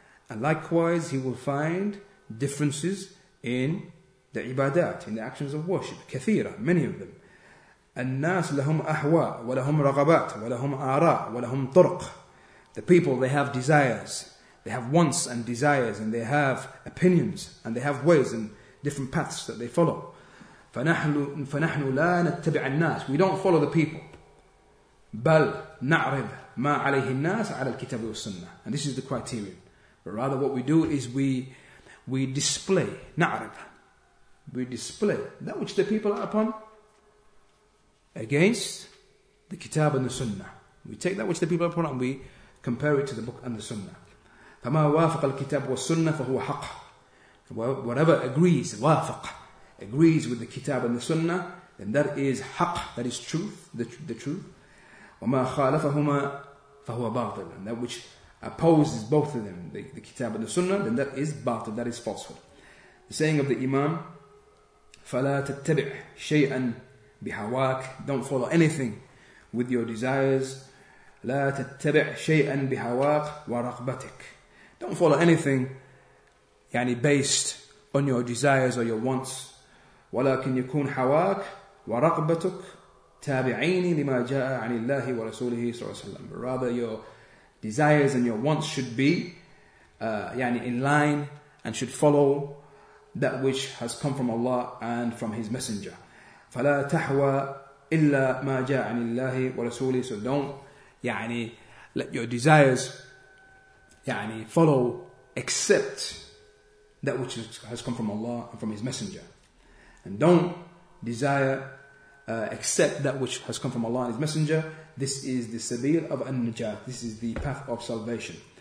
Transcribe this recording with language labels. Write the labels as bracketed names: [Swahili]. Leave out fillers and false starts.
[English] And likewise, he will find differences in the ibadat, in the actions of worship, [Arabic] كثيرة, [English] many of them. [Arabic] الناس لهم أهواء ولهم رغبات ولهم آراء ولهم طرق. [English] The people, they have desires, they have wants and desires, and they have opinions, and they have ways and different paths that they follow. [Arabic] فنحن لا نتبع الناس. [English] We don't follow the people. [Arabic] بل نعرض ما عليه الناس على الكتاب والسنة. [English] And this is the criterion. But rather, what we do is we display [Arabic] نعرض. [English] We display that which the people are upon against the Kitab and the Sunnah. We take that which the people are upon and we compare it to the Book and the Sunnah. [Arabic] فما وافق الكتاب والسنة فهو حق. [English] Whatever agrees, [Arabic] وافق, [English] agrees with the Kitab and the Sunnah, then that is [Arabic] حق, [English] that is truth, the truth. [Arabic] وما خالفهما فهو باطل. [English] And that which opposes both of them, the Kitab and the Sunnah, then that is [Arabic] باطل, [English] that is falsehood. The saying of the Imam, [Arabic] فلا تتبع شيئا بهواك. [English] Don't follow anything with your desires. [Arabic] لا تتبع شيئا بهواك ورغبتك. [English] Don't follow anything [Arabic] يعني [English] based on your desires or your wants. [Arabic] ولكن يكون هواك ورغبتك تابعين لما جاء عن الله ورسوله صلى الله عليه وسلم. [English] Rather, your desires and your wants should be [Arabic] يعني [English] in line and should follow that which has come from Allah and from His Messenger. فلا تحوى إلا ما جاء عن الله ورسوله. So don't [Arabic] يعني [English] let your desires يعني follow except that which has come from Allah and from His Messenger. And don't desire except that which has come from Allah and His Messenger. This is the sabil of an-najah. This is the path of salvation.